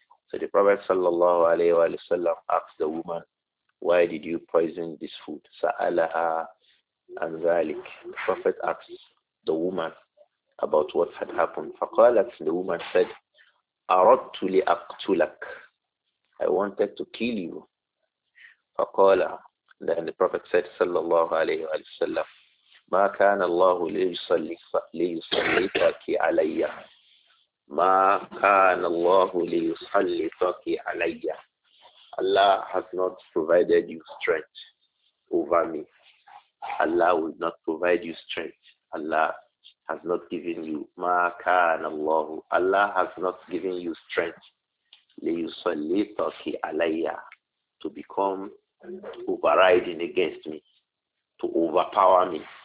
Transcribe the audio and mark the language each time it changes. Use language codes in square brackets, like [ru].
[en] So the Prophet صلى الله عليه وسلم asked the woman, why did you poison this food? [ar] سَأَلَهَا. [en] And Zalik, the Prophet asked the woman about what had happened. فَقَالَتْ, the woman said, [ar] أَرَدْتُ لِأَقْتُلَكَ, [en] I wanted to kill you. [ar] فَقَالَ, [en] then the Prophet said, [ar] صلى الله عليه وسلم, مَا كَانَ اللَّهُ لِيُصَلِّطَكِ عَلَيَّ, مَا كَانَ اللَّهُ لِيُصَلِّطَكِ عَلَيَّ, [en] Allah has not provided you strength over me. Allah will not provide you strength. Allah has not given you ma kana Allah. Allah has not given you strength. Liyusallitaki alayya, to become overriding against me, to overpower me.